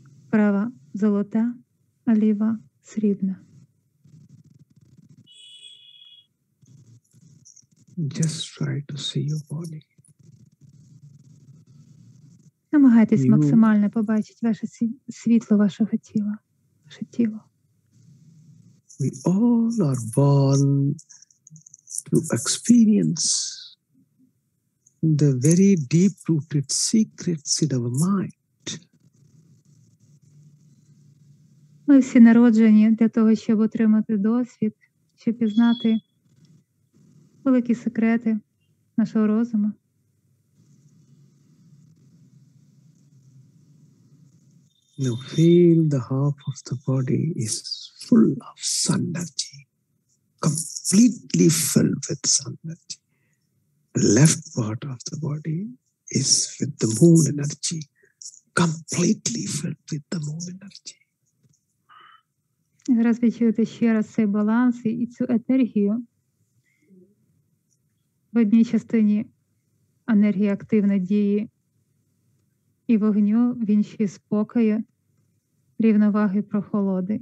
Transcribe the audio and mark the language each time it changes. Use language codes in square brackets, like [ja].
[uk] Права золота, а ліва срібна. [en] Just try to see your body. [uk] Намагайтесь максимально побачити ваше світло вашого тіла, ваше тіло. [en] We all are born to experience the very deep-rooted secrets in our mind. [uk] Ми всі народжені для того, щоб отримати досвід, щоб пізнати великі секрети нашого розуму. [en] Now feel the half of the body is full of sun energy, completely filled with sun energy. The left part of the body is with the moon energy, completely filled with the moon energy. [uk] Зараз відчуєте ще раз цей баланс і цю енергію. В одній частині енергія активна дії і вогню, в іншій спокою, рівноваги, прохолоди.